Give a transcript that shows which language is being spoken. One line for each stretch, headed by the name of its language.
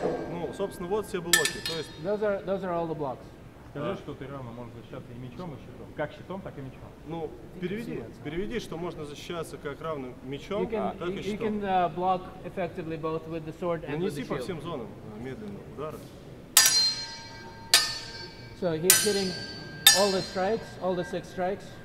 Russian: Ну, собственно, вот все блоки. То есть.
English: Those are all the blocks.
Russian: Скажи, что ты рано можешь защищаться и мечом, и щитом. Как щитом, так и мечом. Ну, переведи, что можно защищаться как равным мечом, так и щитом.
English: You can block effectively both with the sword and with the
Russian: shield. Нанеси по всем зонам медленно удары.
English: So he's hitting all the strikes, all the 6 strikes.